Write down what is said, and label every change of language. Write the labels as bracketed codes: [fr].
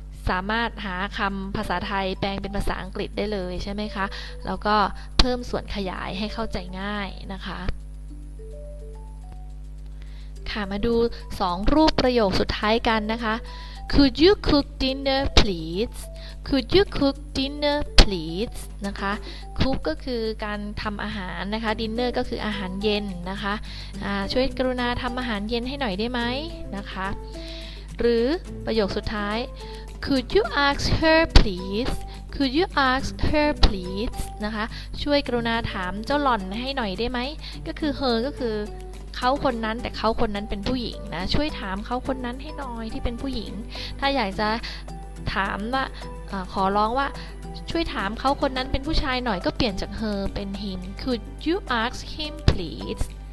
[th] สามารถหาคำภาษาไทยแปลงเป็นภาษาอังกฤษได้เลยใช่ไหมคะแล้วก็เพิ่มส่วนขยายให้เข้าใจง่ายนะคะค่ะมาดู2รูปประโยคสุดท้ายกันนะคะ [en] Could you cook dinner please? Could you cook dinner please? [th] นะคะ Cook ก็คือการทำอาหารนะคะ Dinner ก็คืออาหารเย็นนะคะช่วยกรุณาทำอาหารเย็นให้หน่อยได้ไหมนะคะหรือประโยคสุดท้าย [en] Could you ask her please? Could you ask her please? [th] นะคะช่วยกรุณาถามเจ้าหล่อนให้หน่อยได้ไหมก็คือ her ก็คือเขาคนนั้นแต่เขาคนนั้นเป็นผู้หญิงนะช่วยถามเขาคนนั้นให้หน่อยที่เป็นผู้หญิงถ้าอยากจะถามว่าขอร้องว่าช่วยถามเขาคนนั้นเป็นผู้ชายหน่อยก็เปลี่ยนจาก her เป็น him [en] Could you ask him please?